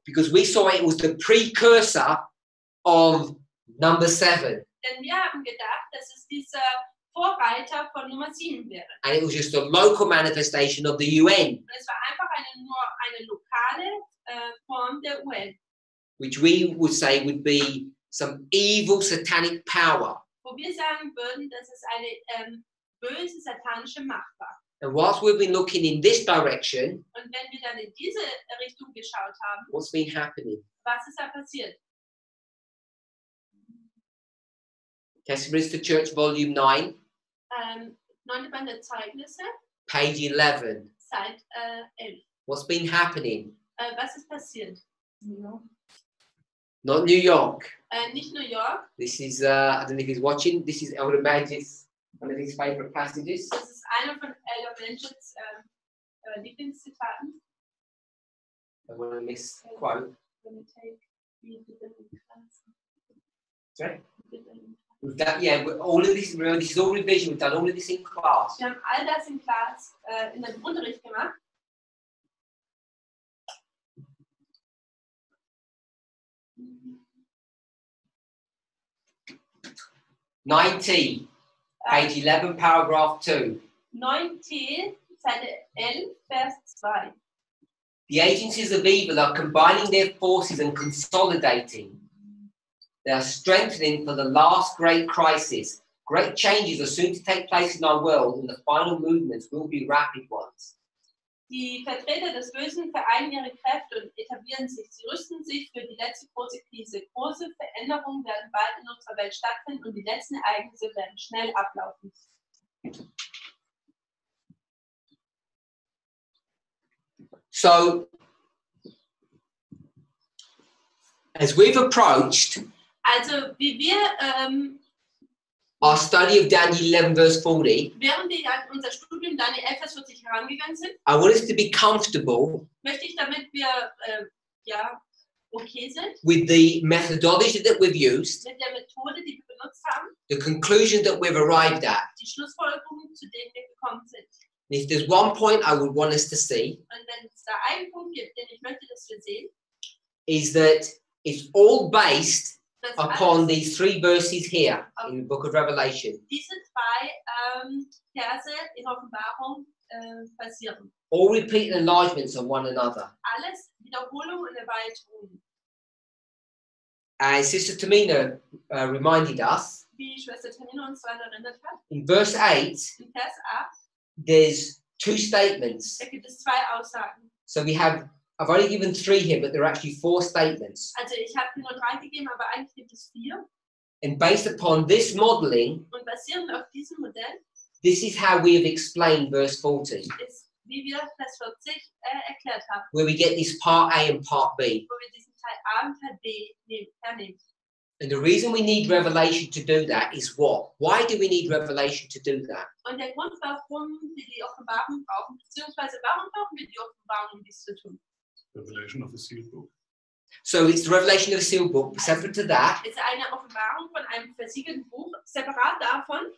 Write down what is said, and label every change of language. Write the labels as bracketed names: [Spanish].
[English] Because we saw it was the precursor of number 7. [German] Denn wir haben gedacht, dass es dieser Vorreiter von Nummer 7 wäre. [English] And it was just a local manifestation of the UN. [German] Und es war einfach nur eine lokale Form der UN. [English] Which we would say would be some evil satanic power. [German] Wo wir sagen würden, dass es eine böse satanische Macht war. [English] And whilst we've been looking in this direction, [German] und wenn wir dann in diese Richtung geschaut haben, [English] what's been happening? [German] Was ist da passiert? [English] Testimonies to Church, Volume 9. [German] 9. Band der Zeugnisse. [English] Page 11. [German] Seite 11. [English] What's been happening? [German] Was ist passiert? [English] New York. Not New York. [German] Nicht New York. [English] This is, I don't know if he's watching, this is Elder Benjamin's, one of his favorite passages. Das ist einer von Elder Benjamin's Lieblingszitaten. I'm going to miss a quote. I'm going to take the We've done, all of this, remember, this is all revision. We've done all of this in class. [German] Wir haben all das [English] in class, [German] in dem Unterricht gemacht. [English] Nineteen. Page 11, paragraph 2. [German] 19, Seite 11, Vers 2. [English] The agencies of evil are combining their forces and consolidating. They are strengthening for the last great crisis. Great changes are soon to take place in our world, and the final movements will be rapid ones. [German] Die Vertreter des Bösen vereinen ihre Kräfte und etablieren sich. Sie rüsten sich für die letzte große Krise. Große Veränderungen werden bald in unserer Welt stattfinden und die letzten Ereignisse werden schnell ablaufen. [English] So, as we've approached, [German] also wie wir [English] our study of Daniel 11, verse 40, [German] während wir an unser Studium Daniel 11, Vers 40 herangegangen sind, [English] I want us to be comfortable, [German] möchte ich, damit wir okay sind, [English] with the methodology that we've used, [German] mit der Methode, die wir benutzt haben, [English] the conclusion that we've arrived at, [German] die Schlussfolgerung, zu der wir gekommen sind. [English] And if there's one point I would want us to see, [German] und wenn es da einen Punkt gibt, den ich möchte, dass wir sehen, [English] is that it's all based upon these three verses here in the book of Revelation. [German] Diese zwei Verse in Offenbarung basieren. [English] All repeated enlargements on one another. [German] Alles Wiederholung und Erweiterung. [English] As Sister Tamina reminded us, [German] wie Schwester Tamina uns daran erinnert hat, [English] in verse 8, [German] in Vers 8, [English] there's two statements. [German] Da gibt es zwei Aussagen. [English] So we have, I've only given three here, but there are actually four statements. [German] Also, ich habe nur drei gegeben, aber eigentlich gibt es vier. [English] And based upon this modeling, [German] und basierend auf diesem Modell, [English] this is how we have explained verse 40. [German] Ist, wie wir Vers 40 erklärt haben. [English] Where we get this part A and part B. [German] Wo wir diesen Teil A und Teil B hernehmen. [English] And the reason we need revelation to do that is what? Why do we need revelation to do that? [German] Und der Grund, warum wir die Offenbarung brauchen, beziehungsweise warum brauchen wir die Offenbarung, um dies zu tun? [English] Revelation of the sealed book. So it's the revelation of the sealed book, separate to that. [German] Ist eine Offenbarung von einem versiegelten Buch, separat davon.